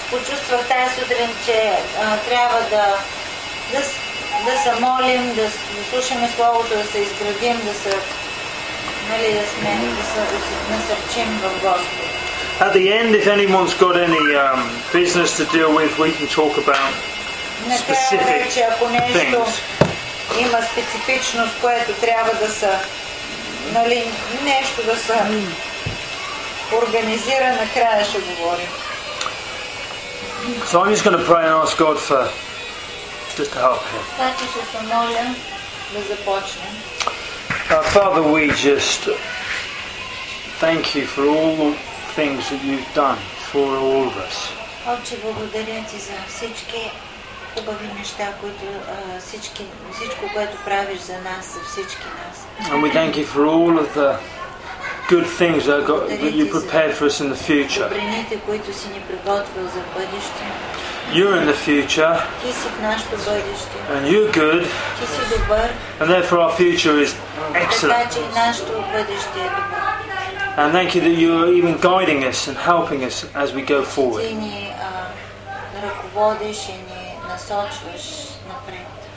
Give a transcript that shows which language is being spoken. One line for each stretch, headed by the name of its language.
English: Just at the end, if anyone's got any business to deal with, we can talk about specific things.
Bulgarian: Има специфичност, което трябва да са, нали, нещо да са организира, накрая ще говорим.
English: So I'm just going to pray and ask God for just to help him.
Bulgarian: Така ще се моля да започнем.
English: Father, we just thank you for all the things that you've done for all of us.
Bulgarian: Отче, благодаря ти за всички хубави неща, които всичко, което правиш за нас, за всички нас.
English: And we thank you for all of the good things that, that you prepared for us in the future.
Bulgarian: Добрините, които си ни приготвил за бъдеще.
English: You're in the future.
Bulgarian: Ти си в нашето бъдеще.
English: And you're good.
Bulgarian: Ти си добър.
English: And therefore our future is excellent.
Bulgarian: Така че и нашето бъдеще е добро.
English: And thank you that you're even guiding us and helping us as we go forward.
Bulgarian: Ти ни ръководиш и ни насочваш напред.